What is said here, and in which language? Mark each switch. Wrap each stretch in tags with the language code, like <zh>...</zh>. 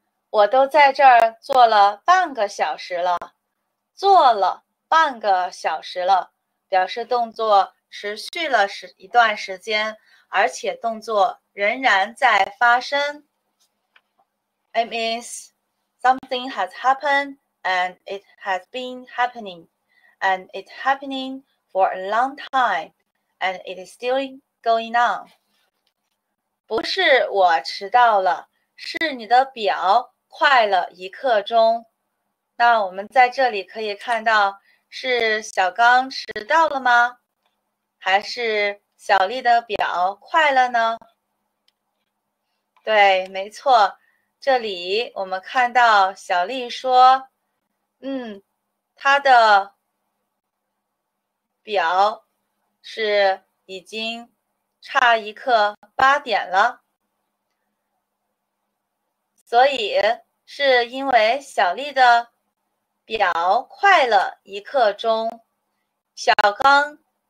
<zh>我都在这儿坐了半个小时了，坐了半个小时了，表示动作。持续了一段时间，而且动作仍然在发生。</zh> <en>It means something has happened and it has been happening, and it's happening for a long time, and it is still going on.</en> <zh>不是我迟到了，是你的表快了1刻钟。那我们在这里可以看到，是小刚迟到了吗？还是小丽的表快了呢？对，没错，这里我们看到小丽说：“嗯，她的表是已经差1刻8点了，所以是因为小丽的表快了1刻钟，小刚。”</zh>